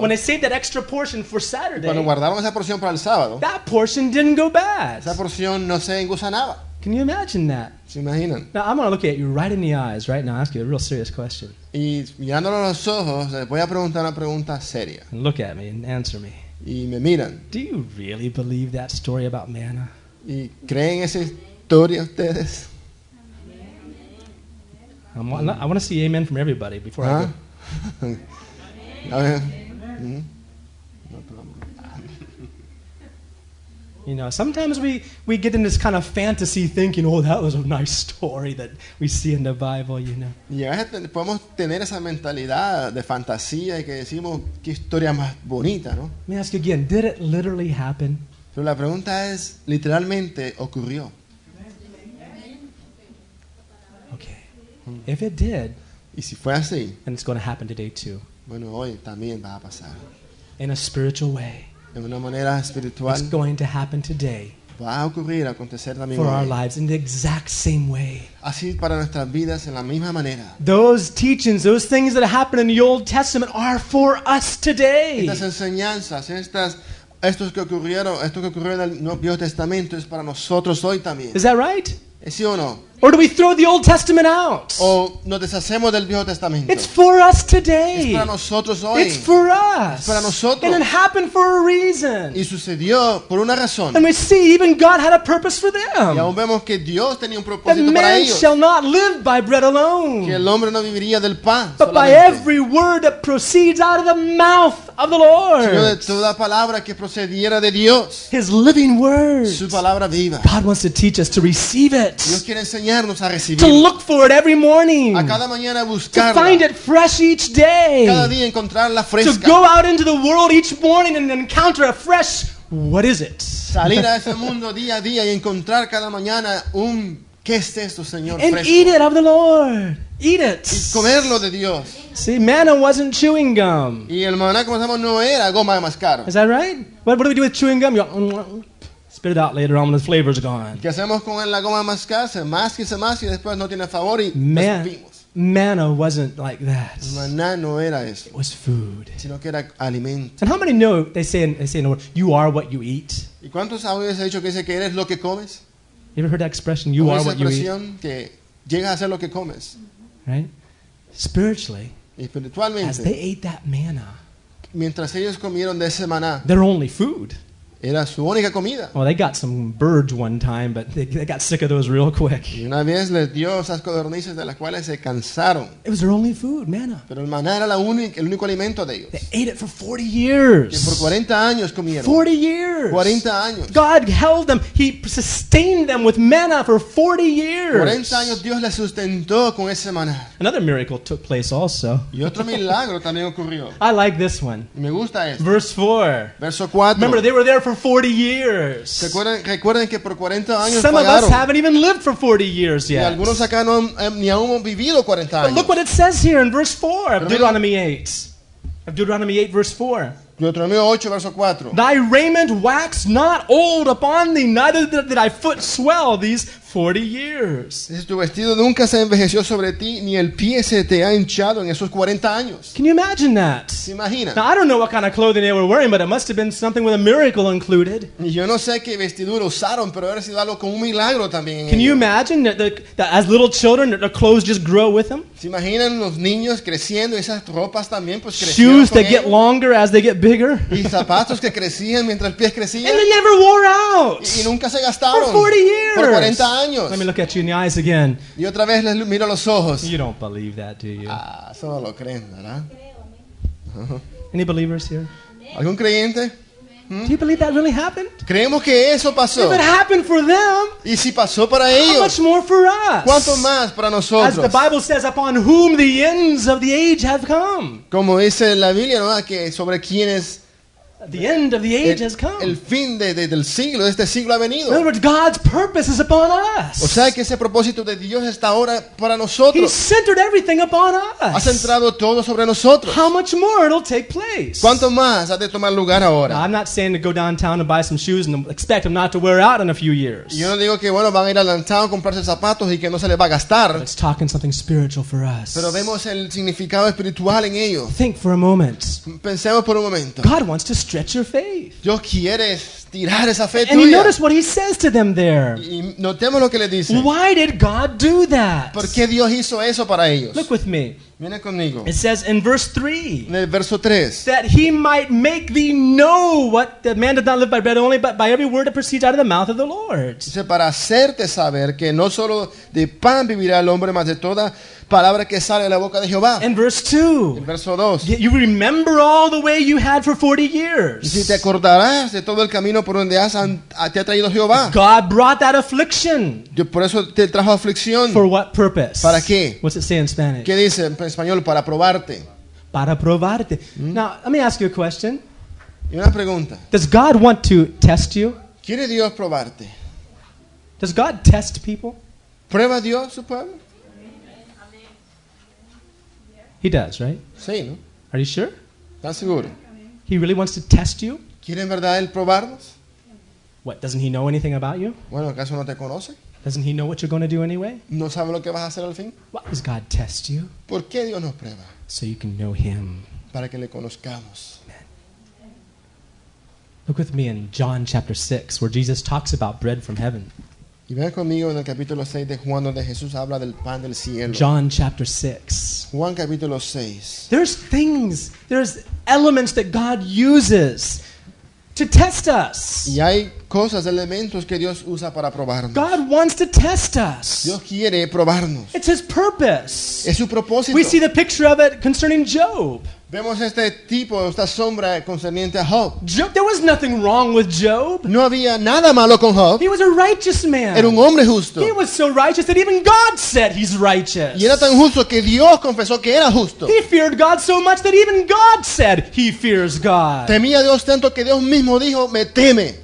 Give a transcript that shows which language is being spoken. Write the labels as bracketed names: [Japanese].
[English] when they saved that extra portion for Saturday, [Spanish] cuando guardaban esa porción para el sábado, [English] that portion didn't go bad. [Spanish] Esa porción no se engusanaba. [English] Can you imagine that? [Spanish] ¿Se imaginan? [English] Now I'm going to look at you right in the eyes right now, ask you a real serious question. [Spanish] Y mirándolo a los ojos, les voy a preguntar una pregunta seria. [English] And look at me and answer me. [Spanish] Y me miran. [English] Do you really believe that story about manna? [Spanish] ¿Y creen esa historia ustedes? [English] I want to see amen from everybody before ¿ah? I go. Amen. You know, sometimes we get in this kind of fantasy thinking, oh, that was a nice story that we see in the Bible, you know. [Spanish] Y a veces podemos tener esa mentalidad de fantasía y que decimos, qué historia más bonita, ¿no? [English] Let me ask you again, did it literally happen? [Spanish] Pero la pregunta es, ¿literalmente ocurrió? [English] Okay. If it did, [Spanish] y si fue así, [English] then it's going to happen today too. [Spanish] Bueno, hoy también va a pasar. [English] In a spiritual way. [Spanish] De una manera espiritual, [English] it's going to happen today. [Spanish] Va a ocurrir, acontecer también [English] for our lives in the exact same way. [Spanish] Así para nuestras vidas en la misma manera. [English] Those teachings, those things that happen in the Old Testament are for us today. [Spanish] Estas enseñanzas, esto que ocurrió en el Nuevo Testamento es para nosotros hoy también. [English] Is that right? [Spanish] ¿Sí o no? [English] Or do we throw the Old Testament out? [Spanish] O nos deshacemos del Viejo Testamento. [English] It's for us today. [Spanish] Es para nosotros hoy. [English] It's for us. [Spanish] Es para nosotros. [English] And it happened for a reason. [Spanish] Y sucedió por una razón. [English] And we see even God had a purpose for them. [Spanish] Y aún vemos que Dios tenía un propósito [English] that [Spanish] para [English] man [Spanish] ellos. [English] Shall not live by bread alone. [Spanish] Que el hombre no viviría del pan [English] but [Spanish] solamente. [English] By every word that proceeds out of the mouth of the Lord. [Spanish] Sino de toda palabra que procediera de Dios. [English] His living words. [Spanish] Su palabra viva. [English] God wants to teach us to receive it. [Spanish] Dios quiere enseñar [English] a to look for it every morning. [Spanish] A cada mañana buscarla. [English] To find it fresh each day. [Spanish] Cada día encontrarla fresca. [English] To go out into the world each morning and encounter a fresh what is it? [Spanish] Salir a ese mundo día a día y encontrar cada mañana un ¿qué es esto, Señor? [English] And [Spanish] fresco. [English] Eat it of the Lord. Eat it. [Spanish] Y comerlo de Dios. [English] See, manna wasn't chewing gum. [Spanish] Y el maná que pasamos no era goma de mascar. [English] Is that right? What do we do with chewing gum? Spit it out later on when the flavor's gone. [Spanish] ¿Qué hacemos con la goma de mascar? Se masca y se masca y después no tiene sabor y escupimos. [English] Manna wasn't like that. [Spanish] Maná no era eso. [English] It was food. [Spanish] Sino que era alimento. [English] And how many know they say in the word, you are what you eat? [Spanish] ¿Y cuántos habéis dicho que dice que eres lo que comes? [English] You ever heard that expression, you are what you eat? [Spanish] Esa expresión que llegas a ser lo que comes. [English] Right? Spiritually, [Spanish] espiritualmente, [English] as they ate that manna, [Spanish] mientras ellos comieron de ese maná, [English] their only food. [Spanish] Era su única comida. [English] Well, they got some birds one time, but they got sick of those real quick. [Spanish] Y una vez les dio esas codornices de las cuales se cansaron. [English] It was their only food, manna. [Spanish] Pero el maná era el único alimento de ellos. [English] They ate it for 40 years. [Spanish] Y por 40 años comieron. [English] 40 years. [Spanish] 40 años. [English] God held them. He sustained them with manna for 40 years. [Spanish] 40 años Dios les sustentó con ese maná. [English] Another miracle took place also. [Spanish] Y otro milagro también ocurrió. [English] I like this one. [Spanish] Me gusta este. [English] Verse 4. [Spanish] Verso 4. [English] Remember, they were there for for 40 years. [Spanish] Recuerden que por 40 años [English] Some [Spanish] pagaron. [English] Of us haven't even lived for 40 years yet. [Spanish] Y algunos acá no han, ni aún han vivido 40 años. [English] But look what it says here in verse 4 of Deuteronomy 8. Of Deuteronomy 8, verse 4. Deuteronomy 8, verse 4. Thy raiment waxed not old upon thee, neither did thy foot swell these 40 years. [Spanish] Tu vestido nunca se envejeció sobre ti, ni el pie se te ha hinchado en esos 40 años. [English] Can you imagine that? [Spanish] Imagina. [English] Now, I don't know what kind of clothing they were wearing, but it must have been something with a miracle included. [Spanish] Yo no sé qué vestidura usaron, pero era sido algo con un milagro también. [English] Can you imagine that as little children, the clothes just grow with them? [Spanish] ¿Se imaginan los niños creciendo, esas ropas también, pues crecieron? [English] Shoes that get longer as they get bigger. [Spanish] Y zapatos que crecían mientras el pie crecía. [English] And they never wore out. [Spanish] Y nunca se gastaron. [English] For 40 years. [Spanish] Por 40 años. [English] Let me look at you in the eyes again. [Spanish] Y otra vez les miro los ojos. [English] You don't believe that, do you? [Spanish] Ah, solo lo creen, ¿verdad? [English] Any believers here? [Spanish] ¿Algún creyente? [English] Do you believe that really happened? [Spanish] ¿Creemos que eso pasó? [English] If it happened for them, [Spanish] ¿y si pasó para ellos? [English] How much more for us? [Spanish] ¿Cuánto más para nosotros? [English] As the Bible says, upon whom the ends of the age have come. [Spanish] Como dice la Biblia, ¿no? Que sobre quienes... [English] The end of the age has come. [Spanish] El fin del siglo, este siglo ha venido. [English] In other words, God's purpose is upon us. [Spanish] O sea, que ese propósito de Dios está ahora para nosotros. [English] He's centered everything upon us. [Spanish] Ha centrado todo sobre nosotros. [English] How much more it'll take place? [Spanish] ¿Cuánto más ha de tomar lugar ahora? [English] Now, I'm not saying to go downtown and buy some shoes and expect them not to wear out in a few years. [Spanish] Yo no digo que bueno van a ir a downtown a comprarse zapatos y que no se les va a gastar. [English] But it's talking something spiritual for us. [Spanish] Pero vemos el significado espiritual en ello. [English] Think for a moment. [Spanish] Pensemos por un momento. [English] God wants to stretch your faith. [Spanish] Dios quiere estirar esa fe tuya. [English] And you notice what he says to them there. [Spanish] Y notemos lo que le dice. [English] Why did God do that? [Spanish] ¿Por qué Dios hizo eso para ellos? [English] Look with me. [Spanish] Viene conmigo. [English] It says in verse 3. [Spanish] En el verso 3. [English] That he might make thee know what the man did not live by bread only, but by every word that proceeds out of the mouth of the Lord. [Spanish] Dice, para hacerte saber que no solo de pan vivirá el hombre, mas de toda palabra que sale de la boca de Jehová. [English] In verse 2. [Spanish] En verso 2. [English] You remember all the way you had for 40 years. [Spanish] Y si te acordarás de todo el camino por donde te ha traído Jehová. [English] God brought that affliction. [Spanish] Yo por eso te trajo aflicción. [English] For what purpose? [Spanish] ¿Para qué? [English] What's it say in Spanish? [Spanish] ¿Qué dice en español? Para probarte. Para probarte. [English] Now, let me ask you a question. [Spanish] Y una pregunta. [English] Does God want to test you? [Spanish] ¿Quiere Dios probarte? [English] Does God test people? [Spanish] ¿Prueba Dios su pueblo? [English] He does, right? [Spanish] Sí, ¿no? [English] Are you sure? [Spanish] ¿Estás seguro? [English] He really wants to test you? [Spanish] ¿Quiere en verdad él probarnos? [English] What, doesn't he know anything about you? [Spanish] Bueno, ¿acaso no te conoce? [English] Doesn't he know what you're going to do anyway? [Spanish] ¿No sabe lo que vas a hacer al fin? [English] Why does God test you? [Spanish] ¿Por qué Dios nos prueba? [English] So you can know him. [Spanish] Para que le conozcamos. [English] Amen. Look with me in John chapter 6, where Jesus talks about bread from heaven. [Spanish] Y ven conmigo en el capítulo 6 de Juan, donde Jesús habla del pan del cielo. [English] John chapter 6. [Spanish] Juan capítulo 6. [English] There's things, there's elements that God uses to test us. [Spanish] Y hay cosas, elementos que Dios usa para probarnos. [English] God wants to test us. [Spanish] Dios quiere probarnos. [English] It's his purpose. [Spanish] Es su propósito. [English] We see the picture of it concerning Job. [Spanish] Vemos este tipo, esta sombra concerniente a Job. [English] Job, there was nothing wrong with Job. [Spanish] No había nada malo con Job. [English] He was a righteous man. [Spanish] Era un hombre justo. [English] He was so righteous that even God said he's righteous. [Spanish] Y era tan justo que Dios confesó que era justo. [English] He feared God so much that even God said he fears God. [Spanish] Temía a Dios tanto que Dios mismo dijo, me teme.